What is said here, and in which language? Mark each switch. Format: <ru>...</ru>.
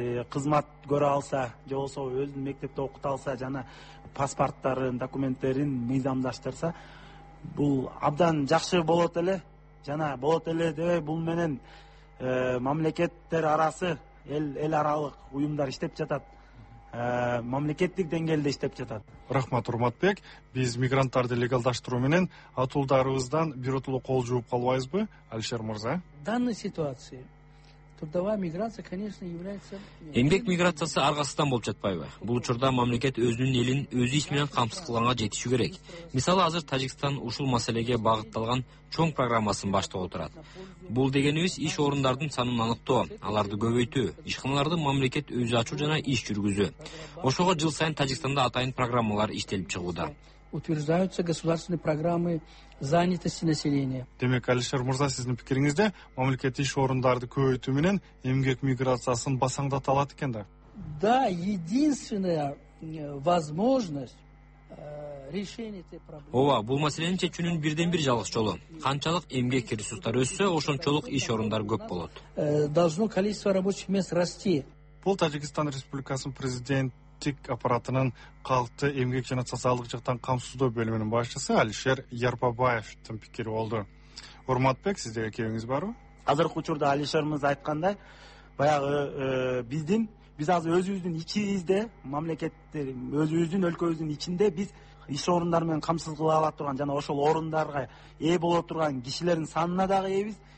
<ky>кызмат көрө алса, же болбосо өзүн мектепте окута алса жана паспорттарын, документтерин мыйзамдаштырса, бул абдан жакшы болот эле жана болот эле дебей бул менен мамлекеттер арасы эл аралык уюмдар иштеп жатат. Мамлекеттик деңгээлде иштеп жатат. Рахмат, Урматбек. Биз мигранттарды легалдаштыруу менен атуулдарыбыздан биротоло кол жууп калбайбызбы, Алишер Мырза?</ky> <ru>Данная ситуация. Трудовая миграция, конечно, является.</ru> <ky>Эмгек миграциясы ар кайсыдан болуп жатпайбы? Бул учурда мамлекет өзүнүн элин өзү иш менен камсыз кылганга жетиши керек. Мисалы, азыр Тажикстан ушул маселеге багытталган чоң программасын баштап отурат. Бул дегенибиз иш орундардын санын аныктоо, аларды көбөйтүү, ишканаларды мамлекет өзү ачуу жана иш жүргүзүү. Ошого жыл сайын Тажикстанда атайын программалар иштелип чыгууда.</ky> <ru>Утверждаются государственные программы занятости населения.</ru> <ky>Демек, Алишер Мырза, сиздин пикириңизде мамлекет иш орундарды көбөйтүү менен эмгек миграциясын басаңдата алат экен да?</ky> <ru>Да, единственная возможность</ru> <ky>ооба, бул маселени чечүүнүн бирден бир жалгыз жолу. Канчалык эмгек ресурстары өссө, ошончолук иш орундар көп болот.</ky> <ru>Должно количество рабочих мест расти.</ru> <ky>Бул Тажикстан Республикасынын президенттик аппаратынын калкты эмгек жана социалдык жактан камсыздоо бөлүмүнүн башчысы Алишер Ярбабаевдин пикири болду. Урматбек, сиздеге кебиңиз барбы? Азыркы учурда Алишерибиз айткандай, баягы биз азыр өзүбүздүн ичибизде, мамлекеттер өзүбүздүн өлкөбүздүн ичинде биз иш орундар менен камсыз кыла ала турган жана ошол орундарга ээ боло турган кишилердин санына дагы ээбиз.</ky>